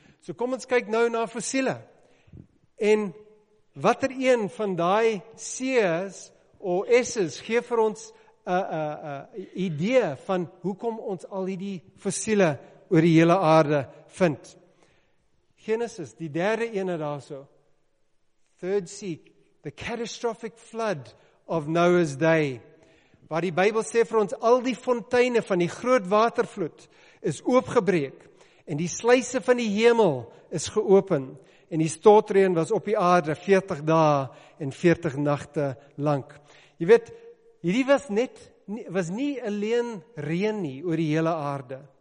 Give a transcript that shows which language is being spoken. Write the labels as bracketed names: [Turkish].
[Afrikaans] So kom ons kyk nou na fossiele. En watter een van daai seas of esses gee vir ons 'n idee van hoekom ons al hierdie fossiele oor die hele aarde vind. Genesis, die derde ene daarso. [English] Third sea, the catastrophic flood of Noah's day. [Afrikaans] Waar die Bybel sê vir ons, al die fonteine van die groot watervloed is oopgebreek En die sluise van die hemel is geopen. En die stortreën was op die aarde 40 dae en 40 nagte lank. Jy weet, hierdie was nie alleen reën nie oor die hele aarde.